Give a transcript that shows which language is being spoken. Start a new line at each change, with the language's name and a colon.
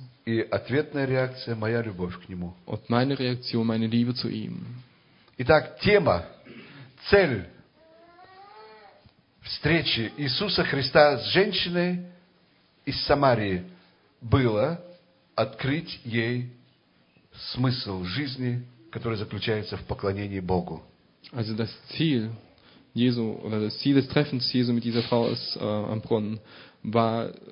Russian: И ответная реакция, моя любовь к нему.
German: Und meine Reaktion, meine Liebe zu ihm.
Russian: Итак, тема, цель встречи Иисуса Христа с женщиной из Самарии было открыть ей смысл жизни, который заключается в поклонении Богу.
German: Also das Ziel Jesu, oder das Ziel des Treffens Jesu mit dieser Frau ist, am Brunnen war